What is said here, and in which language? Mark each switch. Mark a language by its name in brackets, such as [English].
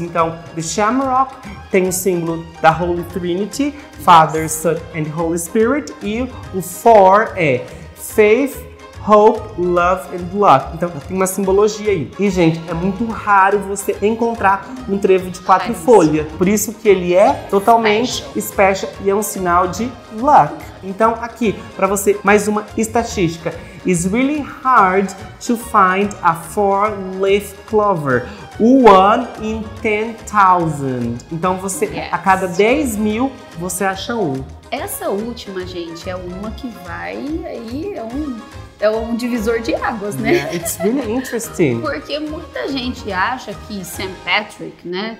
[Portuguese] Então, the shamrock tem o símbolo da Holy Trinity, Father, Son and Holy Spirit, e o four é faith, [English] Hope, Love and Luck. [Portuguese] Então tem uma simbologia aí. E, gente, é muito raro você encontrar um trevo de quatro folhas. Por isso que ele é totalmente special e é um sinal de luck. Então aqui, pra você, mais uma estatística. [English] It's really hard to find a four-leaf clover. One in 10,000. [Portuguese] Então você, a cada 10 mil, você acha um. Essa última, gente, é uma que vai aí, é um divisor de águas, né? [English] Yeah, it's really interesting. [Portuguese] Porque muita gente acha que St. Patrick, né?